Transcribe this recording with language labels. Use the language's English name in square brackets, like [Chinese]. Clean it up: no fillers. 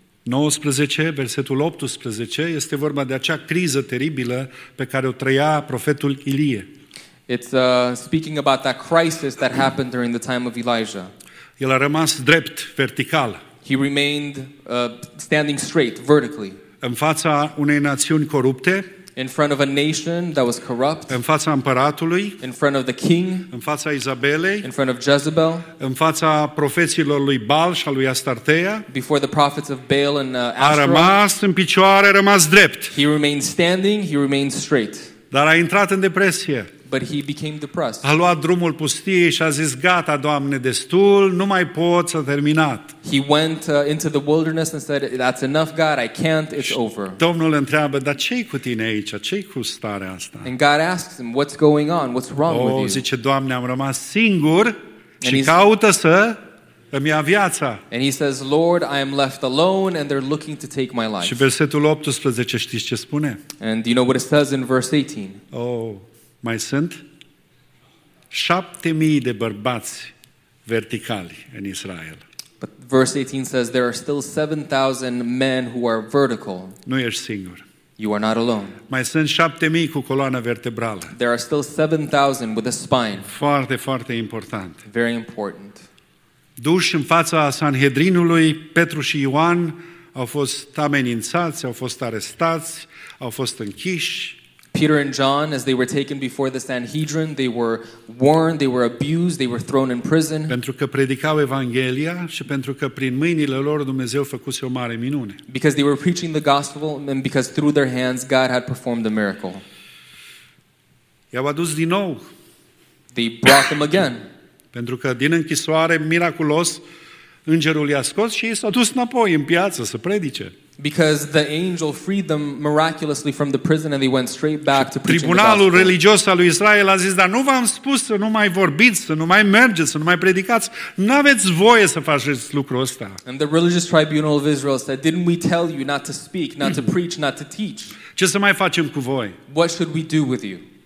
[Romanian] 19, versetul 18, este vorba de acea criză teribilă pe care o trăia profetul Ilie. [English] It's speaking about that crisis that happened during the time of Elijah. [Romanian] El a rămas drept, vertical. [English] He remained standing straight, vertically. [Romanian] În fața unei națiuni corupte. [English] In front of a nation that was corrupt. [Romanian] În fața împăratului. [English] In front of the king. [Romanian] În fața Izabelei. [English] In front of Jezebel. [Romanian] În fața profeților lui Baal și a lui Astartea. [English] Before the prophets of Baal and Asherah. [Romanian] A rămas în picioare, a rămas drept. [English] He remained standing, he remained straight. [Romanian] Dar a intrat în depresie. [English] But he became depressed. [Romanian] A luat drumul pustiei și a zis, gata, Doamne, destul, nu mai pot, s-a terminat. [English] He went into the wilderness and said, that's enough, God, I can't, it's over. [Romanian] Domnul întreabă, dar ce-i cu tine aici, ce-i cu starea asta? [English] And God asks him, what's going on, what's wrong with you? [Romanian] Zice, Doamne, am rămas singur și caută să îmi ia viața. [English] And he says, Lord, I am left alone and they're looking to take my life. [Romanian] Și versetul 18, știți ce spune? [English] And you know what it says in verse 18? [Romanian] Mai sunt 7,000 de bărbați verticali în Israel. [English] But verse 18 says there are still 7,000 men who are vertical. [Romanian] Nu ești singur. [English] You are not alone. [Romanian] Mai sunt 7,000 cu coloană vertebrală. [English] There are still 7,000 with a spine. [Romanian] Foarte, foarte important. [English] Very important. [Romanian] Duși în fața Sanhedrinului, Petru și Ioan au fost amenințați, au fost arestați, au fost închiși. [English] Peter and John, as they were taken before the Sanhedrin, they were warned, they were abused, they were thrown in prison. [Romanian] Pentru că predicau Evanghelia și pentru că prin mâinile lor Dumnezeu făcuse o mare minune. [English] Because they were preaching the gospel and because through their hands God had performed a miracle. [Romanian] I-au adus din nou. [English] They brought them again. [Romanian] Pentru că din închisoare, miraculos, Îngerul i-a scos și s-a dus înapoi în piață să predice. [English] Because the angel freed them miraculously from the prison and they went straight back to preaching. [Romanian] Tribunalul religios al lui Israel a zis: "Dar nu v-am spus să nu mai vorbiți, să nu mai mergeți, să nu mai predicați? N-aveți voie să faceți lucrul ăsta." [English] And the religious tribunal of Israel said, "Didn't we tell you not to speak, not to preach, not to teach?" [Romanian] Ce să mai facem cu voi? [English] What should we do with you?